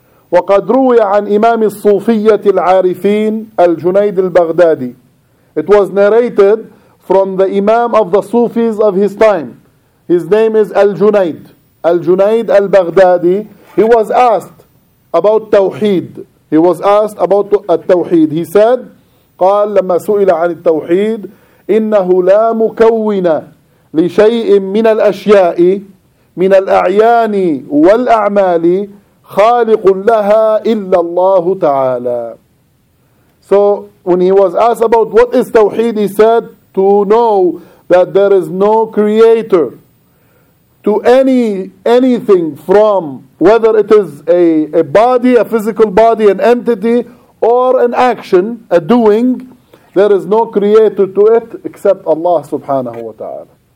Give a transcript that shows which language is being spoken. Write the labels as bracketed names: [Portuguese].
[Arabic] وَقَدْ رُوِيَ عَنْ إِمَامِ الصُّوفِيَّةِ الْعَارِفِينَ الْجُنَيْدِ الْبَغْدَادِ. [English] It was narrated from the Imam of the Sufis of his time. His name is Al-Junayd. Al-Junayd al-Baghdadi. He was asked about Tawheed. He was asked about Tawheed. He said, [Arabic] قال لما سئل عن التوحيد إنه لا مكون لشيء من الأشياء من الأعيان والأعمال خالق لها إلا الله تعالى. [English] So when he was asked about what is Tawheed, he said to know that there is no creator to anything from, whether it is a body, a physical body, an entity, or an action, a doing, there is no creator to it except Allah subhanahu wa ta'ala.